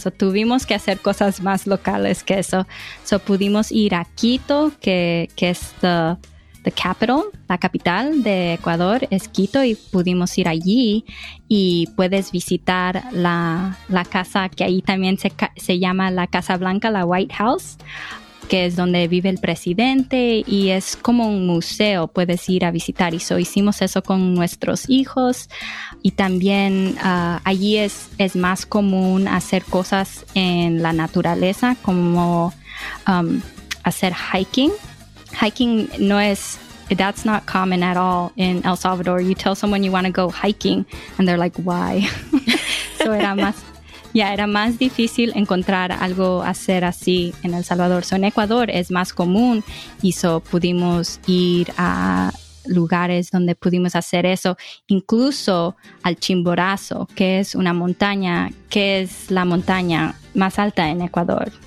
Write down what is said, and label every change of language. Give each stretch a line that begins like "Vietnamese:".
Spanish: So, tuvimos que hacer cosas más locales que eso. So, pudimos ir a Quito, que es
English: the capital,
Spanish: la capital de Ecuador, es Quito, y pudimos ir allí y puedes visitar la casa que ahí también se llama la Casa Blanca, la White House, que es donde vive el presidente y es como un museo, puedes ir a visitar. Y so hicimos eso con nuestros hijos y también allí es más común hacer cosas en la naturaleza como hacer hiking. Hiking no es,
English: that's not common at all in El Salvador. You tell someone you want to go hiking and they're like, why?
Spanish: So era más... Ya, era más difícil encontrar algo hacer así en El Salvador. So, en Ecuador es más común y so pudimos ir a lugares donde pudimos hacer eso. Incluso al Chimborazo, que es una montaña, que es la montaña más alta en Ecuador.